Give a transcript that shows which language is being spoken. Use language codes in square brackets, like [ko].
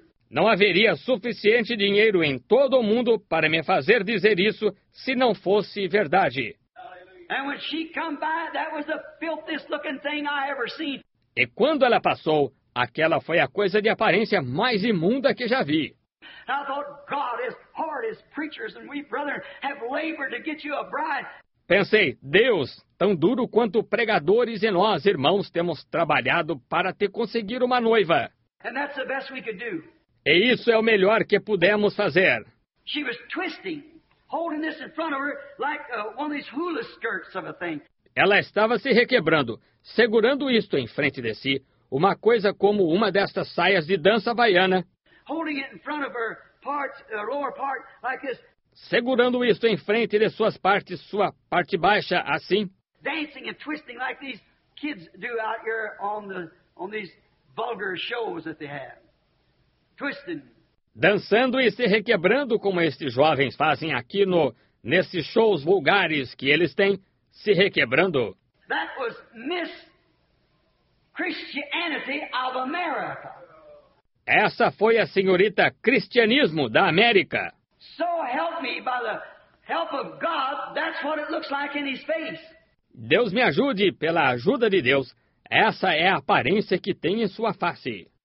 [pt] Não haveria suficiente dinheiro em todo o mundo para me fazer dizer isso se não fosse verdade. [en] And when she come by, that was the filthiest looking thing I ever seen. [pt] E quando ela passou, aquela foi a coisa de aparência mais imunda que já vi. [en] I thought, God, as hard as preachers and we brethren have labored to get you a bride. [pt] Pensei, Deus, tão duro quanto pregadores e nós, irmãos, temos trabalhado para te conseguir uma noiva. [en] And that's the best we could do. [pt] E isso é o melhor que pudemos fazer. [en] She was twisting. Holding this in front of her like one of these hula skirts of a thing. [pt] Ela estava se requebrando, segurando isto em frente de si, uma coisa como uma destas saias de dança havaiana. [en] Holding it in front of her parts, lower part, like this. [pt] Segurando isto em frente de suas partes, sua parte baixa, assim. [en] Dancing and twisting like these kids do out here on these vulgar shows that they have. Twisting. [pt] Dançando e se requebrando como estes jovens fazem aqui nesses shows vulgares que eles têm, se requebrando. [en] That was Miss Christianity of America. [pt] Essa foi a senhorita Cristianismo da América. [en] So help me by the help of God, that's what it looks like in his face. [pt] Deus me ajude pela ajuda de Deus. Essa é a aparência que tem em sua face.